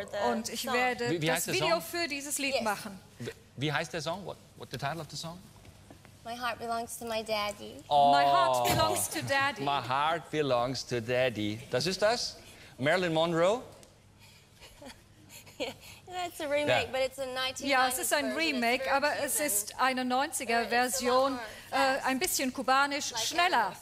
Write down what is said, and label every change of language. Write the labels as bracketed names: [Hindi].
[German] Und ich werde das Video für dieses Lied machen. Wie heißt der Song? [English] What the title of the song? My heart belongs to my daddy. Oh. My heart belongs to daddy. My heart belongs to daddy. [German] Das ist das? Marilyn Monroe? [English] That's a remake, but it's a 1990s [German] Ja, es ist ein Remake, aber es ist eine 90er-Version, ein bisschen kubanisch, like schneller.